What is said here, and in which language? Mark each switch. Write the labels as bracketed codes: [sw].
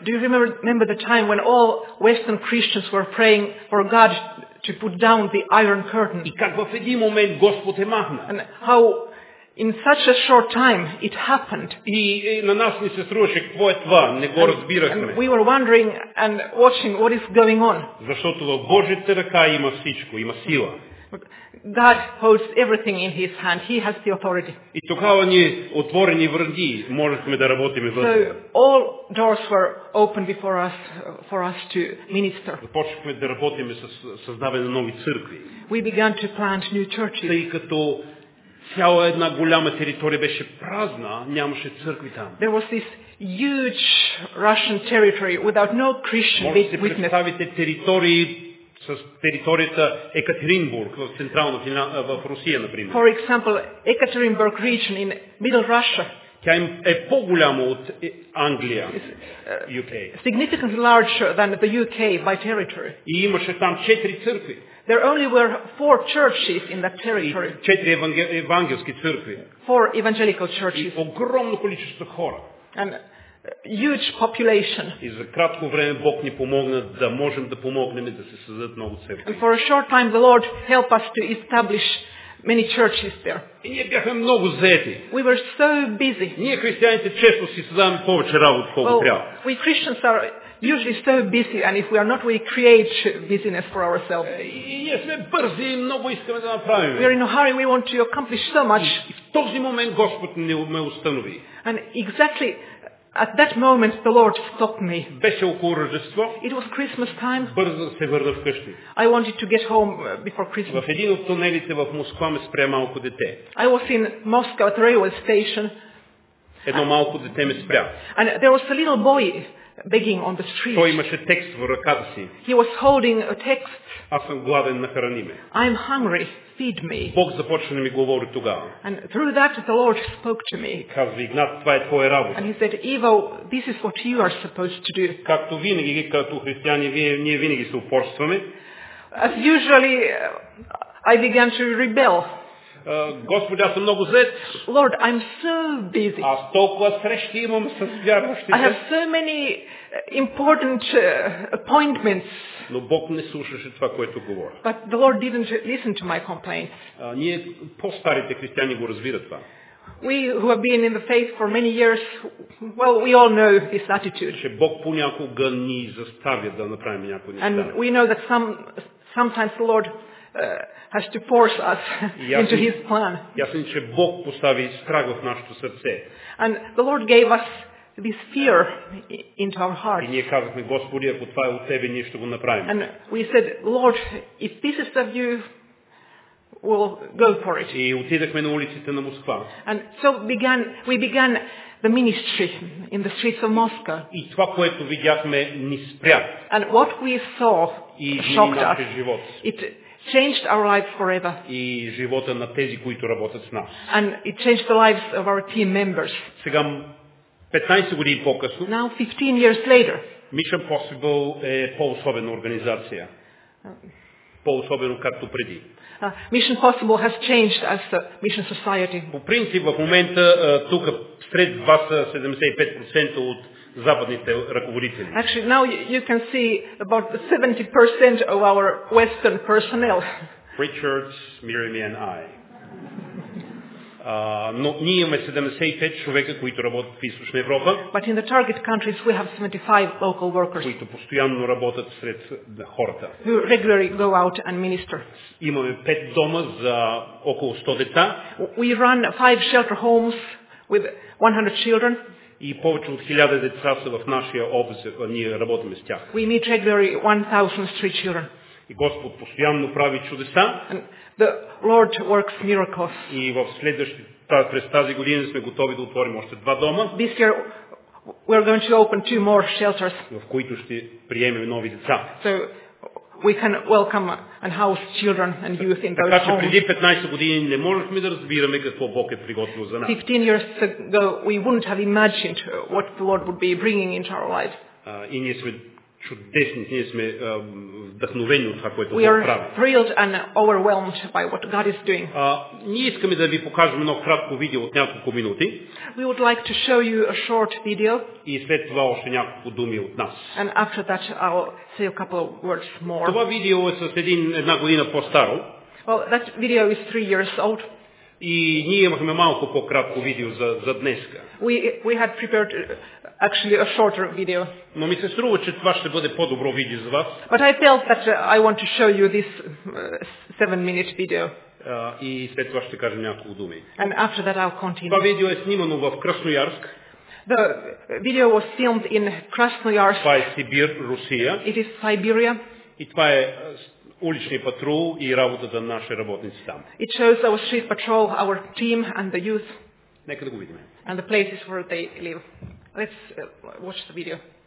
[en] Do you remember the time when all Western Christians were praying for God to put down the iron curtain? [bg] И как в един момент Господ е махна? [en] And how in such a short time it happened. [bg] И на нас ни се струваше какво е това, не го разбирахме. [en] And we were wondering and watching what is going on. [bg] Защото в Божията ръка има всичко, има сила. [en] God holds everything in his hand. He has the authority. [bg] И тогава ние отворени врати можехме да работим вътре. [en] So all doors were open before us for us to minister. [bg] Започнахме да работим с създаване на нови църкви. [en] We began to plant new churches. [bg] Тъй като цяла една голяма територия беше празна, нямаше църкви там. [en] There was this huge Russian territory without no Christian witness. [bg] Може да си представите територии с територията Екатеринбург в централна в Русия, например. [en] For example, Екатеринбург region in middle Russia. [bg] Тя е по-голяма от Англия, UK. [en] Significantly larger than the UK by territory. [bg] И имаше там четири църкви. [en] There only were four churches in that territory. [bg] Четири евангелски църкви. [en] Four evangelical churches. [bg] И огромно количество хора. [en] And huge population. [bg] И за кратко време Бог ни помогна да можем да помогнем да се създадат много църкви. [en] And for a short time the Lord helped us to establish many churches there. [bg] И ние бяхме много заети. [en] We were so busy. [bg] Ние християните често си създаваме повече работа, колко трябва. [en] Well, we Christians are usually so busy, and if we are not, we create busyness for ourselves. Yes, we're busy, [bg] много искаме да направим. [en] We are in a hurry, we want to accomplish so much. [bg] И в този момент Господ не ме установи. [en] And exactly at that moment the Lord stopped me. [bg] Беше около Рождество. [en] It was Christmas time. [bg] Бързо се върна вкъщи. [en] I wanted to get home before Christmas. [bg] В един от тунелите в Москва ме спря малко дете. [en] I was in Moscow at the railway station. [bg] Едно малко дете ме спря. [en] And there was a little boy begging on the street. [bg] Той имаше текст в ръката си. [en] He was holding a text. [bg] Аз съм гладен, нахрани ме. [en] I'm hungry, feed me. [bg] Бог започна да ми говори тогава. [en] And through that the Lord spoke to me. [bg] Казва, Игнат, това е твоя работа. [en] And he said, Ivo, this is what you are supposed to do. [bg] Както винаги, като християни, ние винаги се упорстваме. [en] As usually, I began to rebel. [bg] Господи, аз съм много зает. [en] Lord, I'm so busy. [bg] Аз толкова срещи имам с вярващите. [en] I have so many important appointments. [bg] Но Бог не слушаше това, което говоря. [en] But the Lord didn't listen to my complaints. [bg] Ние по-старите християни го разбират това. [en] We who have been in the faith for many years, well, we all know this attitude. [bg] Че Бог понякога ни заставя да направим някои неща. [en] And we know that sometimes the Lord has to force us into his plan. [bg] Ясен, че Бог постави страх в нашето сърце. [en] And the Lord gave us this fear into our hearts. [bg] И ние казахме, Господи, ако това е от Тебе, ние ще го направим. [en] And we said, Lord, if this is of you, we'll go for it. [bg] И отидахме на улиците на Москва. [en] And so we began the ministry in the streets of Moscow. [bg] И това, което видяхме, ни спря. [en] And what we saw shocked us. [bg] Живот. [en] Changed our lives forever. [bg] И живота на тези, които работят с нас. [en] And it changed the lives of our team members. [bg] Сега 15 години по-късно. [en] Now 15 years later. [bg] Mission Possible е по-особена организация. По-особено както преди. [en] Mission Possible has changed as the Mission Society. [bg] По принцип, в момента тук сред вас 75% от западните ръководители. [en] Actually, now you can see about 70% of our Western personnel. Richards, Miriam and I. [bg] Но ние имаме 75 човека, които работят в Източна Европа. [en] But in the target countries we have 75 local workers. [bg] Които постоянно работят сред хората. [en] Who regularly go out and minister. [bg] Имаме 5 дома за около 100 деца. [en] We run 5 shelter homes with 100 children. [bg] И повече от 1000 деца са в нашия офис, ние работим с тях. [en] We meet regularly 1000 street children. [bg] И Господ постоянно прави чудеса. [en] And the Lord works miracles. [bg] И в следващата през тази година сме готови да отворим още 2 дома. [en] This year we are going to open 2 more shelters. [bg] В които ще приемем нови деца. [en] So we can welcome and house children and youth in those homes. [bg] Така че преди 15 години не можехме да разбираме какво Бог е приготвил за нас. [en] 15 years ago we wouldn't have imagined what the Lord would be bringing into our life. [bg] И ние сме чудесни, ние сме вдъхновени от това, което Бог прави. [en] We are thrilled and overwhelmed by what God is doing. [bg] Ние искаме да ви покажем едно кратко видео от няколко минути. [en] We would like to show you a short video. [bg] И след това още няколко думи от нас. [en] And after that I'll say a couple of words more. [bg] Това видео е с една година по-старо. [en] Well, that video is 3 years old. [bg] И ние имахме малко по-кратко видео за днеска. [en] We had prepared actually a shorter video. [bg] Но ми се струва, че това ще бъде по-добро видео за вас. [en] But I felt that I want to show you this 7-minute video. [bg] И след това ще кажем няколко думи. [en] And after that I'll continue. [bg] Това видео е снимано в Красноярск. [en] The video was filmed in Krasnoyarsk. [bg] Това е Сибир, Русия. [en] It is Siberia. [bg] И това е улични патрул и работата на наши работници там. [en] It shows our street patrol, our team and the youth. [bg] Нека да го видим. [en] And the places where they live. Let's watch the video.